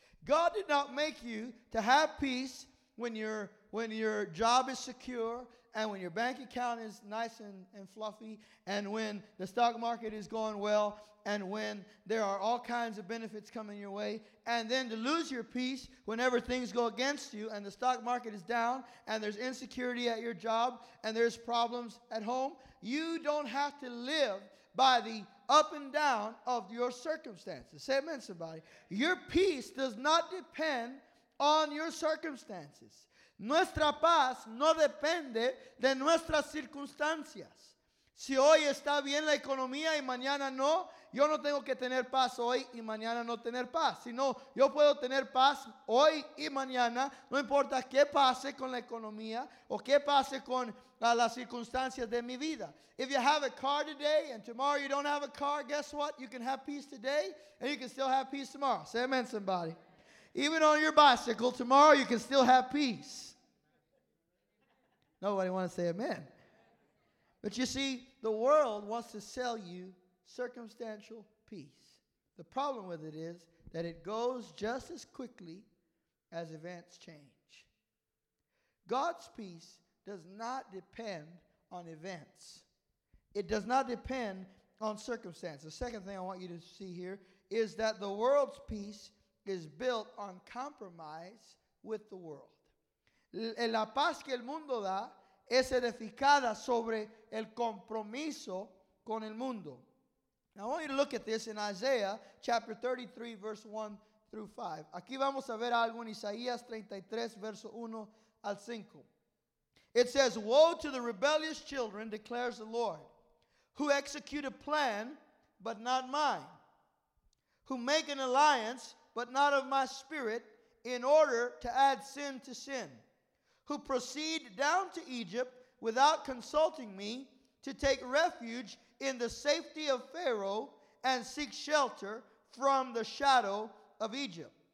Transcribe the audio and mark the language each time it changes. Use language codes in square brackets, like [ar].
[en] God did not make you to have peace when your job is secure and when your bank account is nice and fluffy and when the stock market is going well and when there are all kinds of benefits coming your way, and then to lose your peace whenever things go against you and the stock market is down and there's insecurity at your job and there's problems at home. You don't have to live by the up and down of your circumstances. Say amen, somebody. Your peace does not depend on your circumstances. [es] Nuestra paz no depende de nuestras circunstancias. Si hoy está bien la economía y mañana no, yo no tengo que tener paz hoy y mañana no tener paz. Sino yo puedo tener paz hoy y mañana, no importa qué pase con la economía o qué pase con las circunstancias de mi vida. [en] If you have a car today and tomorrow you don't have a car, guess what? You can have peace today and you can still have peace tomorrow. Say amen, somebody. Even on your bicycle, tomorrow you can still have peace. Nobody wants to say amen. But you see, the world wants to sell you circumstantial peace. The problem with it is that it goes just as quickly as events change. God's peace does not depend on events. It does not depend on circumstances. The second thing I want you to see here is that the world's peace is built on compromise with the world. [es] La paz que el mundo da es edificada sobre el compromiso con el mundo. [en] Now I want you to look at this in Isaiah chapter 33, verse 1 through 5. [es] Aquí vamos a ver algo en Isaías 33, verso 1 al 5. [en] It says, "Woe to the rebellious children, declares the Lord, who execute a plan, but not mine, who make an alliance, but not of my spirit, in order to add sin to sin, who proceed down to Egypt without consulting me to take refuge in the safety of Pharaoh and seek shelter from the shadow of Egypt.